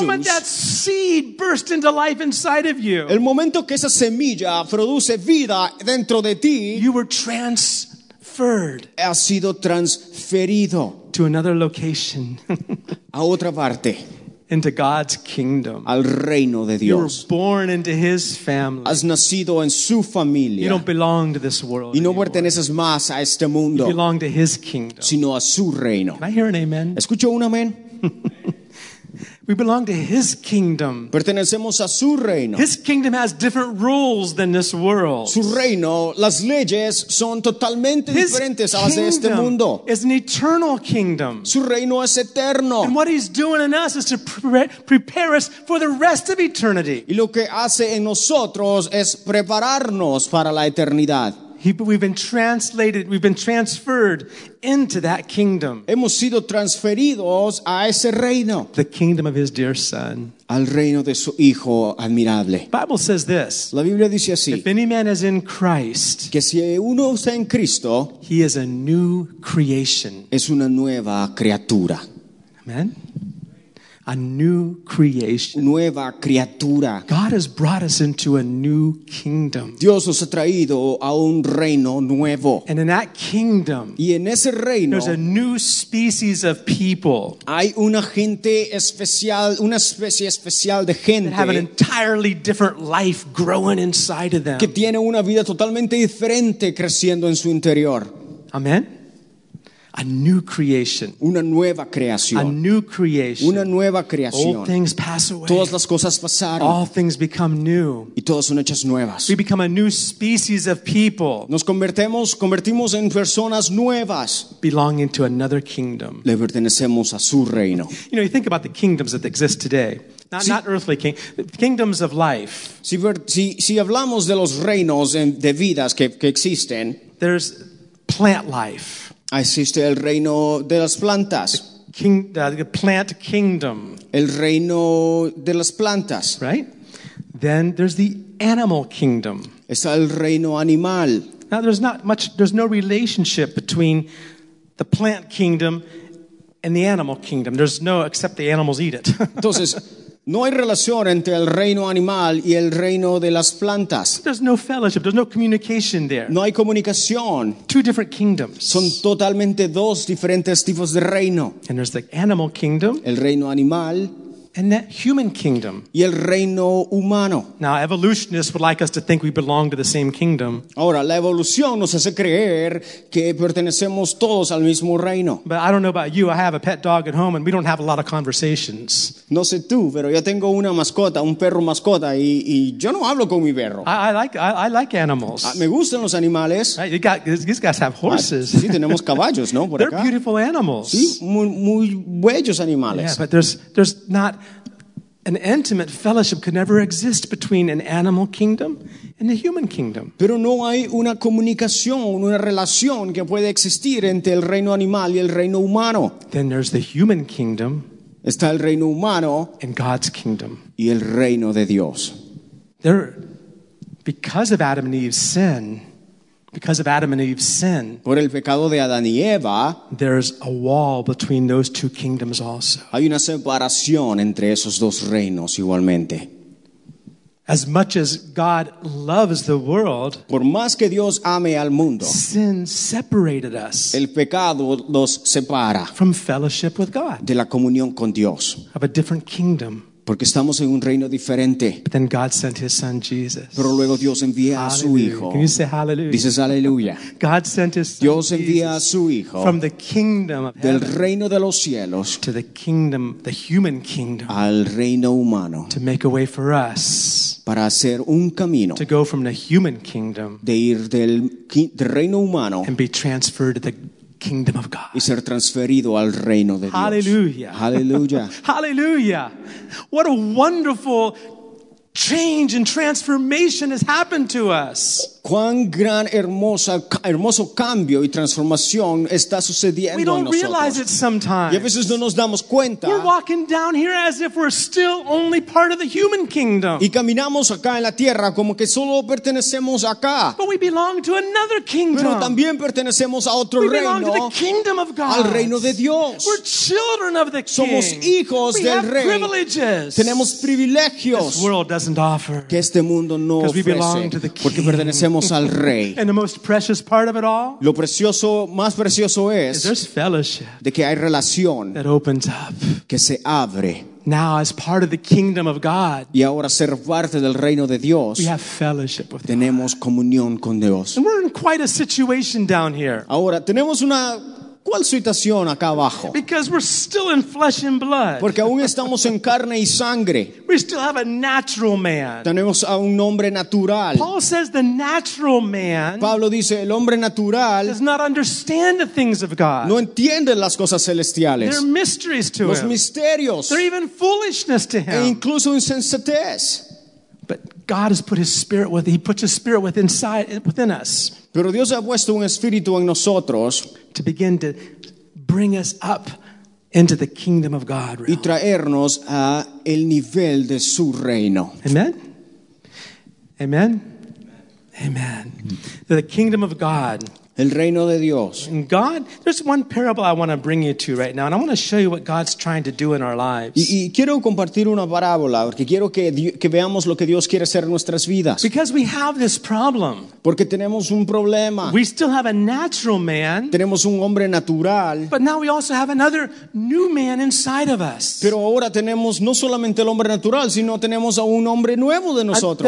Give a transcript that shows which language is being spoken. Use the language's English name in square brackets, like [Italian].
[English] moment that seed burst into life inside of you, [Spanish] el momento que esa semilla produce vida dentro de ti, [English] you were transferred, [Spanish] has sido transferido [English] to another location, [Spanish] a otra parte. [English] Into God's kingdom. [Spanish] Al reino de Dios. [English] You were born into his family. [Spanish] Has nacido en su familia. [English] You don't belong to this world. [Spanish] Y no perteneces más a este mundo. [English] You belong to his kingdom. [Spanish] Sino a su reino. [English] Can I hear an amen? [Spanish] ¿Escucho un amén? [English] We belong to his kingdom. [Spanish] Pertenecemos a su reino. [English] His kingdom has different rules than this world. [Spanish] Su reino, las leyes son totalmente [English] his [Spanish] diferentes a las de este mundo. [English] Is an eternal kingdom. [Spanish] Su reino es eterno. [English] And what he's doing in us is to prepare us for the rest of eternity. [Spanish] Y lo que hace en nosotros es prepararnos para la eternidad. [English] We've been transferred into that kingdom. [Spanish] Hemos sido transferidos a ese reino. [English] The kingdom of his dear son. [Spanish] Al reino de su hijo admirable. [English] Bible says this. [Spanish] La Biblia dice así. [English] If any man is in Christ, [Spanish] que si uno está en Cristo, [English] he is a new creation. [Spanish] Es una nueva criatura. [English] Amen. A new creation. [Spanish] Nueva criatura. [English] God has brought us into a new kingdom. [Spanish] Dios nos ha traído a un reino nuevo. [English] And in that kingdom, [Spanish] y en ese reino, [English] there's a new species of people. [Spanish] Hay una gente especial, una especie especial de gente. [English] That have an entirely different life growing inside of them. [Spanish] Que tiene una vida totalmente diferente creciendo en su interior. [English] Amen. A new creation. [Spanish] Una nueva creación. [English] A new creation. [Spanish] Una nueva creación. [English] Old things pass away. [Spanish] Todas las cosas pasaron. [English] All things become new. [Spanish] Y todas son hechas nuevas. [English] We become a new species of people. [Spanish] Nos convertimos en personas nuevas. [English] Belonging to another kingdom. [Spanish] Le pertenecemos a su reino. [English] You know, you think about the kingdoms that exist today. Not earthly kingdoms of life. [Spanish] Si hablamos de los reinos de vidas que existen. [English] There's plant life. [Spanish] Existe el reino de las plantas. [English] The plant kingdom. [Spanish] El reino de las plantas. [English] Right? Then there's the animal kingdom. [Spanish] Está el reino animal. [English] Now there's not much, there's no relationship between the plant kingdom and the animal kingdom. There's no, except the animals eat it. [Spanish] Entonces, no hay relación entre el reino animal y el reino de las plantas. [English] There's no fellowship, there's no communication there. [Spanish] No hay comunicación. [English] Two different kingdoms. [Spanish] Son totalmente dos diferentes tipos de reino. [English] And there's the animal kingdom. [Spanish] El reino animal. [English] And the human kingdom. [Spanish] Y el reino humano. [English] Now, evolutionists would like us to think we belong to the same kingdom. [Spanish] Ahora, la evolución nos hace creer que pertenecemos todos al mismo reino. [English] But I don't know about you. I have a pet dog at home, and we don't have a lot of conversations. [Spanish] No sé tú, pero yo tengo una mascota, un perro mascota, y yo no hablo con mi perro. [English] I like animals. [Spanish] Me gustan los animales. [English] Right, these guys have horses. [Spanish] Sí, tenemos caballos, ¿no? Por [English] They're [Spanish] acá. [English] Beautiful animals. [Spanish] Sí, muy, muy bellos animales. [English] Yeah, but there's not an intimate fellowship could never exist between an animal kingdom and a human kingdom. [Spanish] Pero no hay una comunicación, una relación que puede existir entre el reino animal y el reino humano. [English] Then there's the human kingdom. [Spanish] Está el reino humano. [English] And God's kingdom. [Spanish] Y el reino de Dios. [English] There, because of Adam and Eve's sin, because of Adam and Eve's sin, [Spanish] por el pecado de Adán y Eva, [English] there's a wall between those two kingdoms also. [Spanish] Hay una separación entre esos dos reinos igualmente. [English] As much as God loves the world, [Spanish] por más que Dios ame al mundo, [English] sin separated us. [Spanish] El pecado los separa [English] from fellowship with God. [Spanish] De la comunión con Dios. [English] Of a different kingdom. [Spanish] Porque estamos en un reino diferente. [English] But then God sent his son Jesus. [Spanish] Pero luego Dios envía [English] hallelujah. [Spanish] A su hijo. [English] Can you say hallelujah? [Spanish] Dices aleluya. [English] God sent his son [Spanish] Dios envía [English] Jesus [Spanish] a su hijo [English] from the kingdom of [Spanish] del [English] heaven [Spanish] reino de los cielos [English] to the kingdom, the human kingdom, [Spanish] al reino humano [English] to make a way for us [Spanish] para hacer un camino [English] to go from the human kingdom [Spanish] de ir del reino humano [English] and be transferred to the kingdom of God. [Spanish] Y ser transferido al reino de Dios. [English] Hallelujah. Hallelujah. Hallelujah. What a wonderful change and transformation has happened to us. [Spanish] Cuán gran hermoso cambio y transformación está sucediendo en nosotros. [English] We don't realize it sometimes. [Spanish] Y a veces no nos damos cuenta. [English] We're walking down here as if we're still only part of the human kingdom. [Spanish] Y caminamos acá en la tierra como que solo pertenecemos acá. [English] But we belong to another kingdom. [Spanish] Pero también pertenecemos a otro [English] we [Spanish] reino. [English] We belong to the kingdom of God. [Spanish] Al reino de Dios. [English] We're children of the king. [Spanish] Somos hijos [English] we [Spanish] del [English] have [Spanish] rey. [English] Privileges. [Spanish] Tenemos privilegios. [English] This world doesn't offer. [Spanish] Que este mundo no ofrece. [English] Because we belong to the king. [Spanish] Porque pertenecemos al rey. [English] And the most precious part of it all, [Spanish] lo precioso, más precioso es, [English] is there's fellowship [Spanish] de que hay relación [English] that opens up [Spanish] que se abre. [English] Now as part of the kingdom of God, [Spanish] y ahora ser parte del reino de Dios, [English] we have fellowship with [Spanish] tenemos [English] God. [Spanish] Comunión con Dios. [English] And we're in quite a situation down here. [Spanish] Ahora tenemos una ¿cuál situación acá abajo? [English] Because we're still in flesh and blood. [Spanish] Porque aún estamos en carne y sangre. [English] We still have a natural man. [Spanish] Tenemos a un hombre natural. [English] Paul says the natural man. [Spanish] Pablo dice el hombre natural [English] does not understand the things of God. [Spanish] No entiende las cosas celestiales. [English] There are mysteries to [Spanish] los [English] him. [Spanish] Los misterios. [English] There are even foolishness to him. [Spanish] E incluso insensatez. [English] But God has put his spirit with he puts his spirit with inside within us. [Spanish] Pero Dios ha puesto un espíritu en nosotros [English] to begin to bring us up into the kingdom of God realm. Y traernos a el nivel de su reino. Amen. Amen. Amen. Amen. The kingdom of God. [Spanish] El reino de Dios. [English] And God, there's one parable I want to bring you to right now, and I want to show you what God's trying to do in our lives. [Spanish] Y quiero compartir una parábola porque quiero que veamos lo que Dios quiere hacer en nuestras vidas. [English] Because we have this problem. [Spanish] Porque tenemos un problema. [English] We still have a natural man. [Spanish] Tenemos un hombre natural. [English] But now we also have another new man inside of us. [Spanish] Pero ahora tenemos no solamente el hombre natural, sino tenemos a un hombre nuevo de nosotros.